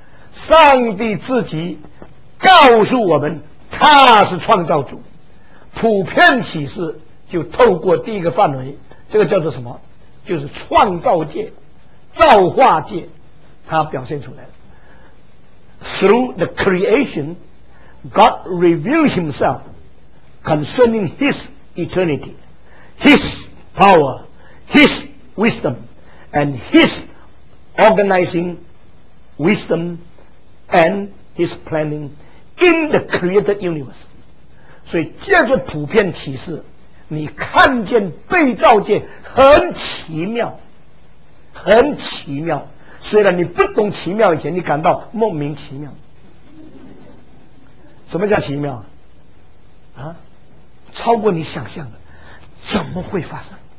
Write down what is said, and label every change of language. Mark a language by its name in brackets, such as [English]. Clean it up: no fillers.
[Chinese] 上帝自己告诉我们他是创造主，普遍启示就透过第一个范围，这个叫做什么？就是创造界，造化界，他表现出来了。 [English] Through the creationGod revealed himself concerning his eternity, his power, his wisdom, and his organizing wisdom and his planning in the created universe. [Chinese] 所以借着普遍启示，你看见被造界很奇妙，很奇妙。虽然你不懂奇妙，以前你感到莫名其妙。什么叫奇妙啊？超过你想象的，怎么会发生？